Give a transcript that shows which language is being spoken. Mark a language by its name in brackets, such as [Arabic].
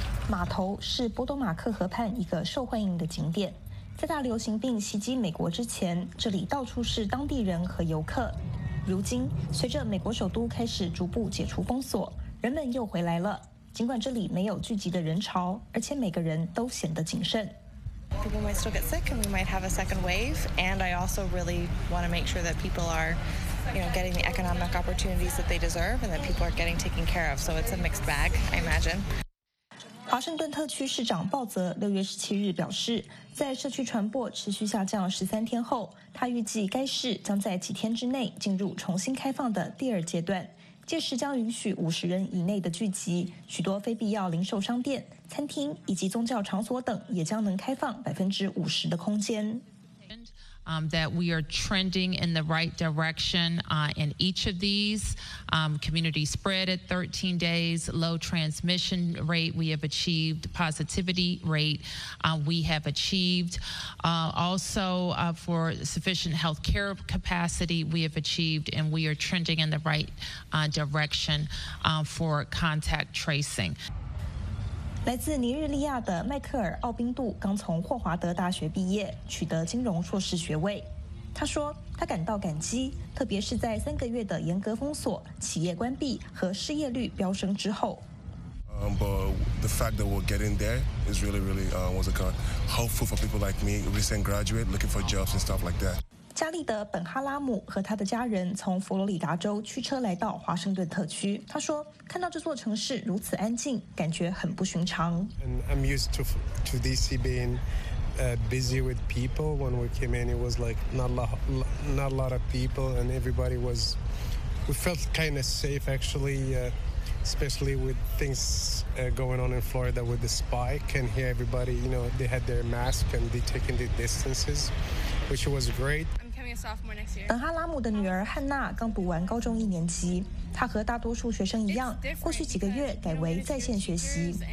[Chinese] 码头是波多马克河畔一个受欢迎的景点，在大流行病袭击美国之前，这里到处是当地人和游客。如今，随着美国首都开始逐步解除封锁，人们又回来了。尽管这里没有聚集的人潮，而且每个人都显得谨慎。 [English] People might still get sick, and we might have a second wave. And I also really want to make sure that people are, you know, getting the economic opportunities that they deserve, and that people are getting taken care of. So it's a mixed bag, I imagine. [Chinese] 华盛顿特区市长鲍泽6月17日表示，在社区传播持续下降13天后，他预计该市将在几天之内进入重新开放的第二阶段，届时将允许50人以内的聚集，许多非必要零售商店、餐厅以及宗教场所等也将能开放50%的空间。 [English] That we are trending in the right direction in each of these. Community spread at 13 days, low transmission rate, we have achieved positivity rate, we have achieved. Also, for sufficient health care capacity, we have achieved, and we are trending in the right direction for contact tracing. [Chinese] 来自尼日利亚的迈克尔·奥宾杜刚从霍华德大学毕业，取得金融硕士学位。他说，他感到感激，特别是在3个月的严格封锁、企业关闭和失业率飙升之后。 [English] But the fact that we're getting there is really, really, what's it called? Helpful for people like me, recent graduate, looking for jobs and stuff like that. [Chinese] 加利德·本哈拉姆和他的家人从佛罗里达州驱车来到华盛顿特区。他说，看到这座城市如此安静，感觉很不寻常。 [English] And I'm used to DC being busy with people. When we came in, it was like not a lot of people, and everybody was. We felt kind of safe actually, especially with things going on in Florida with the spike. And here, everybody, you know, they had their mask and they taking the distances, which was great. I'm coming a sophomore next year. [Chinese] 本哈拉姆的女儿汉娜刚读完高中1年级。他和大多数学生一样，过去几个月改为在线学习。